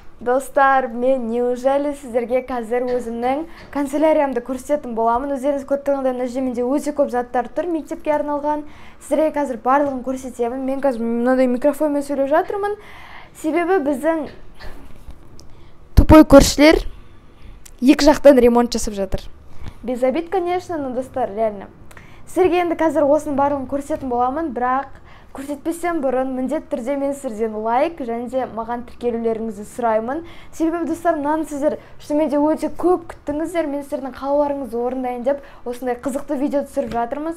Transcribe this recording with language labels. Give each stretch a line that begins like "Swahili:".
Kazakh: Достар, мен неужели сіздерге қазір өзімнің канцеляриямды көрсететін боламын. Өздеріңіз көрттіңіздер, мына жерде менде өте көп заттар тұр, мектепке арналған. Сіздерге қазір барлығын көрсетемін. Мен қазір мынадай микрофонмен сөйлеп жатырмын. Себебі біздің тупой көршілер екі жақтан ремонт жасап жатыр.
Russian: Без обид, конечно, но достар, реально.
Kazakh: Сіздерге енді қазір осының барлығын көрсететін боламын, бірақ көрсетпесем бұрын міндет түрде мен сіздерден лайк және де маған тіркелулеріңізді сұраймын. Себебі достар, мынаны сіздер шынымен де өте көп күттіңіздер. Мен сіздердің қалауларыңызды орындайын деп осындай қызықты видео түсіріп жатырмын.